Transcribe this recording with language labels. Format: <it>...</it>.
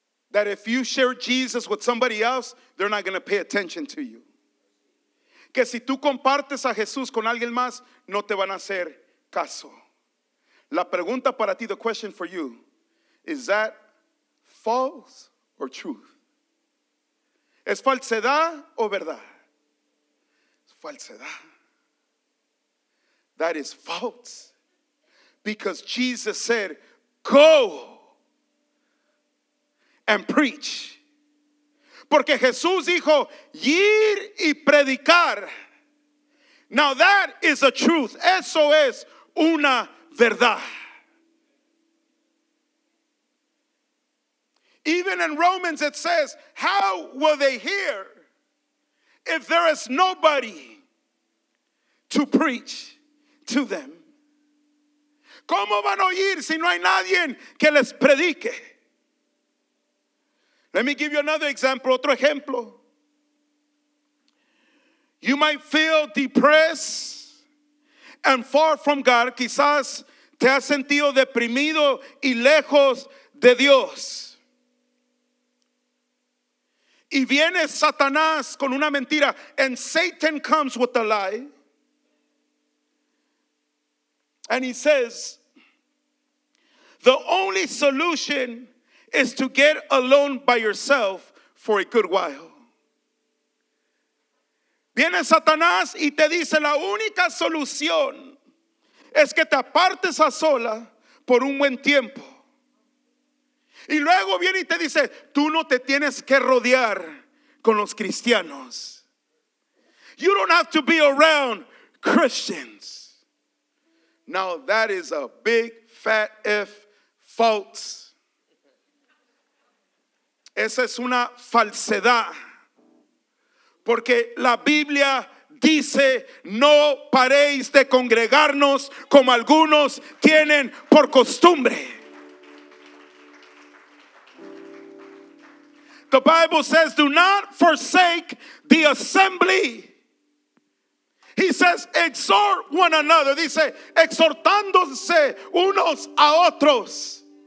<en>That if you share Jesus with somebody else, they're not going to pay attention to you.</en> <es>Que si tú compartes a Jesús con alguien más, no te van a hacer caso. La pregunta para ti,</es> <en>the question for you, is that false or truth?</en> <es>¿Es falsedad o verdad? Es falsedad.</es> <en>That is false. Because Jesus said, go and preach.</en> <es>Porque Jesús dijo, ir y predicar.</es> <en>Now that is a truth.</en> <es>Eso es una verdad.</es> <en>Even in Romans it says, how will they hear if there is nobody to preach to them?</en> <es>¿Cómo van a oír si no hay nadie que les predique?</es> <en>Let me give you another example,</en> <es>otro ejemplo.</es> <en>You might feel depressed and far from God.</en> <es>Quizás te has sentido deprimido y lejos de Dios. Y viene Satanás con una mentira.</es> <en>And Satan comes with a lie. And he says, the only solution is to get alone by yourself for a good while.</en> <es>Viene Satanás y te dice, la única solución es que te apartes a sola por un buen tiempo. Y luego viene y te dice, tú no te tienes que rodear con los cristianos.</es> <en>You don't have to be around Christians. Now that is a big fat F false.</en> <es>Esa es una falsedad. Porque la Biblia dice, no paréis de congregarnos como algunos tienen por costumbre.</es> <en>The Bible says, do not forsake the assembly. He says, exhort one another.</en> <es>Dice, exhortándose unos a otros.</es>